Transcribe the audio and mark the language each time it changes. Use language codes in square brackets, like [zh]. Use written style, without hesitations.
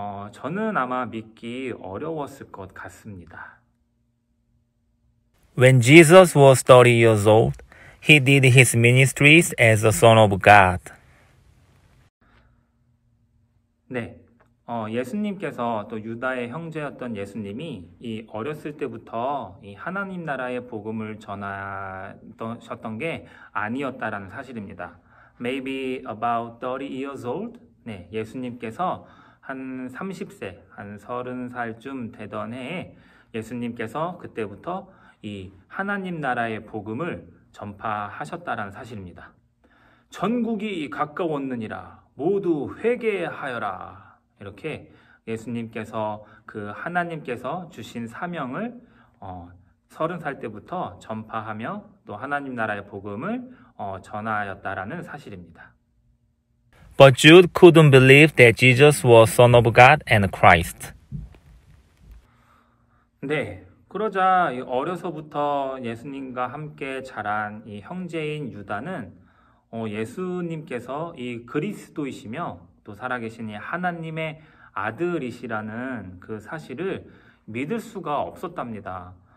[ko] 저는 아마 믿기 어려웠을 것 같습니다. [en] When Jesus was 30 years old, he did his ministries as the Son of God. [ko] 네. 예수님께서 또 유다의 형제였던 예수님이 이 어렸을 때부터 이 하나님 나라의 복음을 전하셨던 게 아니었다라는 사실입니다. [en] Maybe about 30 years old. 네. [ko] 예수님께서 한 30세, 한 30살쯤 되던 해에 예수님께서 그때부터 이 하나님 나라의 복음을 전파하셨다라는 사실입니다. 전국이 가까웠느니라 모두 회개하여라. 이렇게 예수님께서 그 하나님께서 주신 사명을 30살 때부터 전파하며 또 하나님 나라의 복음을 전하였다라는 사실입니다. [en] But Jude couldn't believe that Jesus was Son of God and Christ. [ko] 네. 그러자 어려서부터 예수님과 함께 자란 이 형제인 유다는 예수님께서 이 그리스도이시며 또 살아계신 이 하나님의 아들이시라는 그 사실을 믿을 수가 없었답니다.